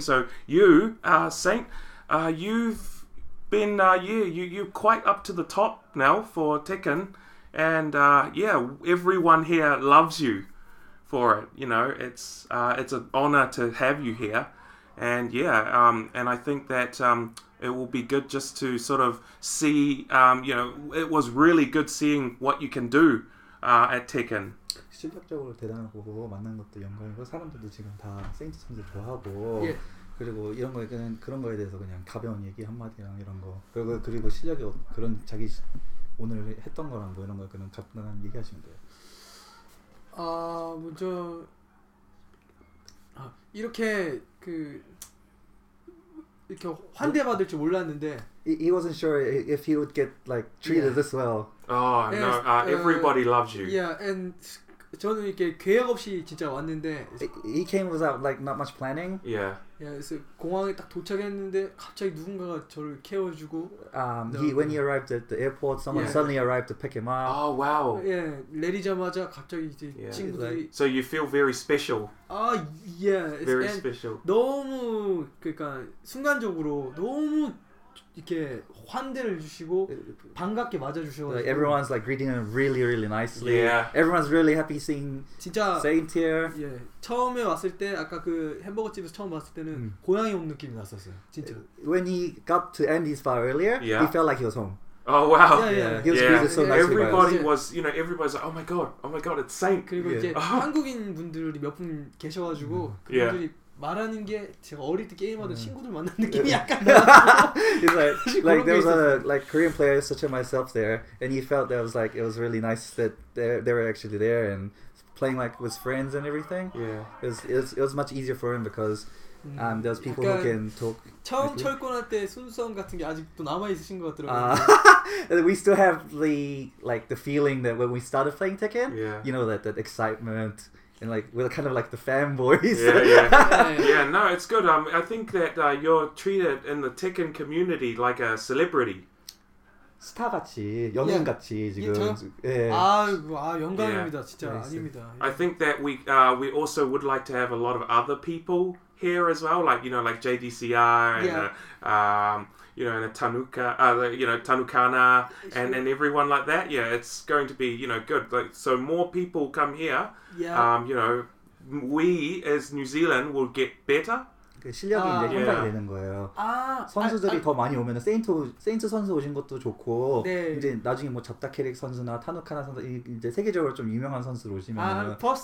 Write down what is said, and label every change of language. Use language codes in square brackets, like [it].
[en] So, you, Saint, you've been, you're quite up to the top now for Tekken, and everyone here loves you for it. You know, it's an honor to have you here, and and I think that it will be good just to sort of see, you know, it was really good seeing what you can do at Tekken. [ko] 실력적으로 대단한 거고 만난 것도 영광이고 사람들도 지금 다 세인트 선수 좋아하고. 그리고 이런 거에 그냥 그런 거에 대해서 그냥 가벼운 얘기 한마디랑 이런 거 그리고 실력이 그런 자기 오늘 했던 거랑 뭐 이런 거 그냥 간단한 얘기하시면 돼요. 아 먼저 이렇게 그 이렇게 환대받을 줄 몰랐는데. [en] He wasn't sure if he would get like treated this well. Oh no! Everybody loves you. Yeah, and [ko] 저는 이렇게 계획 없이 진짜 왔는데. [en] He came without like not much planning. Yeah. [ko] 그래서 공항에 딱 도착했는데 갑자기 누군가가 저를 케어해주고 [en] when he arrived at the airport, someone suddenly arrived to pick him up. Oh, wow. [ko] 예, 내리자마자 갑자기 이제 친구들이 [en] So you feel very special. Very special. [ko] 너무 그러니까 순간적으로 너무 이렇게 환대를 주시고 반갑게 맞아주셔서 [en] Everyone's like greeting him really, really nicely. Yeah. Everyone's really happy seeing [ko] 진짜, [en] Saint here. [ko] 예, 처음에 왔을 때 아까 그 햄버거 집에서 처음 봤을 때는 고향이 온 느낌이 났었어요. 진짜. [en] When he got to Andy's bar earlier, he felt like he was home. Oh wow! Yeah, yeah. He was greeted so nicely. Everybody was, you know, everybody's like, oh my god, it's Saint. [ko] 그리고 이제 한국인 분들이 몇 분 계셔가지고 그분들이 말하는 게 제가 어릴 때 게임하던 친구들 만난 느낌이 약간 나. [en] It's like there was a like Korean player such as myself there, and he felt that was like it was really nice that they were actually there and playing like with friends and everything. Yeah, it was much easier for him because there was people who can talk. 처음 철권할 때 순수함 같은 게 아직도 남아 있으신 것 같더라고요. We still have the like the feeling that when we started playing Tekken, yeah. you know that excitement. And like we're kind of like the fanboys. Yeah. No, it's good. I think that you're treated in the Tekken community like a celebrity. [ko] 스타 같이 연예인 같이 지금. 아 영광입니다. 진짜 아닙니다. [en] I think that we also would like to have a lot of other people here as well. Like you know, like JDCR and you know, and a Tanuka, you know, Tanukana, and everyone like that. Yeah, it's going to be, you know, good. Like, so more people come here. Yeah. You know, we as New Zealand will get better. [ko] 그 실력이 이제 향상이 되는 거예요. 선수들이 더 많이 오면 세인트 선수 오신 것도 좋고 네. 이제 나중에 뭐 잡다케릭 선수나 타누카나 선수 이제 세계적으로 좀 유명한 선수로 오시면.